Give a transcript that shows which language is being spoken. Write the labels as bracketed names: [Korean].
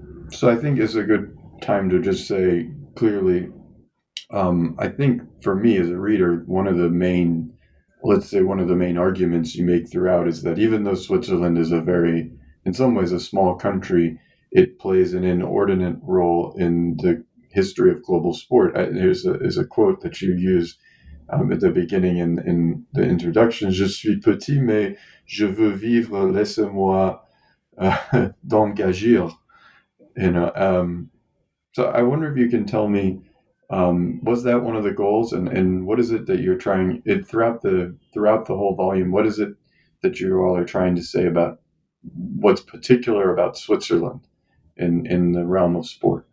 [English] So I think it's a good time to just say clearly, I think for me as a reader, one of the main, let's say one of the main arguments you make throughout is that even though Switzerland is a very, in some ways, a small country, it plays an inordinate role in the history of global sport. There's is a quote that you use at the beginning in the introduction. [French] Je suis petit, mais je veux vivre, laissez-moi d'engager. [English] So I wonder if you can tell me, was that one of the goals? And what is it that you're trying, it throughout the whole volume, what is it that you all are trying to say about what's particular about Switzerland in the realm of sport?